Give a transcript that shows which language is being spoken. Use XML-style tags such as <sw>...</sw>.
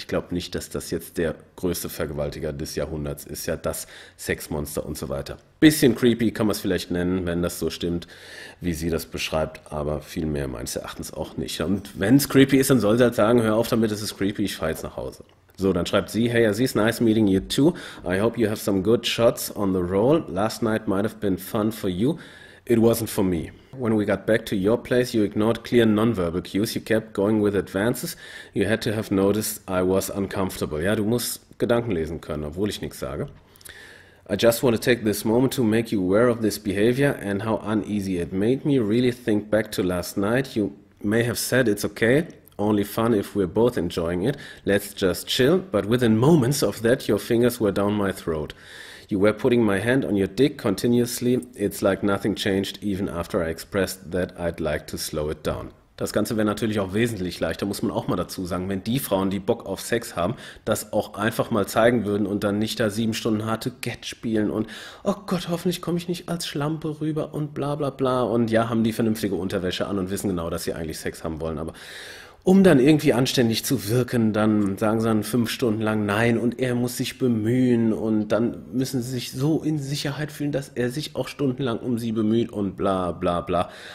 <de>Ich glaube nicht, dass das jetzt der größte Vergewaltiger des Jahrhunderts ist. Ja, das Sexmonster und so weiter. Bisschen creepy kann man es vielleicht nennen, wenn das so stimmt, wie sie das beschreibt, aber viel mehr meines Erachtens auch nicht. Und wenn es creepy ist, dann soll sie halt sagen, hör auf damit, es ist creepy, ich fahre jetzt nach Hause. So, dann schreibt sie, hey Aziz,</de> <en>nice meeting you too. I hope you have some good shots on the roll. Last night might have been fun for you. It wasn't for me. When we got back to your place, you ignored clear non-verbal cues. You kept going with advances. You had to have noticed I was uncomfortable.</en> <de>Ja, du musst Gedanken lesen können, obwohl ich nichts sage.</de> <en>I just want to take this moment to make you aware of this behavior and how uneasy it made me. Really think back to last night. You may have said it's okay, only fun if we're both enjoying it. Let's just chill. But within moments of that, your fingers were down my throat. You were putting my hand on your dick continuously. It's like nothing changed, even after I expressed that I'd like to slow it down.</en> <de>Das Ganze wäre natürlich auch wesentlich leichter, muss man auch mal dazu sagen, wenn die Frauen, die Bock auf Sex haben, das auch einfach mal zeigen würden und dann nicht da 7 Stunden harte Get spielen und oh Gott, hoffentlich komme ich nicht als Schlampe rüber und bla bla bla. Und ja, haben die vernünftige Unterwäsche an und wissen genau, dass sie eigentlich Sex haben wollen, aber um dann irgendwie anständig zu wirken, dann sagen sie dann 5 Stunden lang nein und er muss sich bemühen und dann müssen sie sich so in Sicherheit fühlen, dass er sich auch stundenlang um sie bemüht und bla bla bla.</de>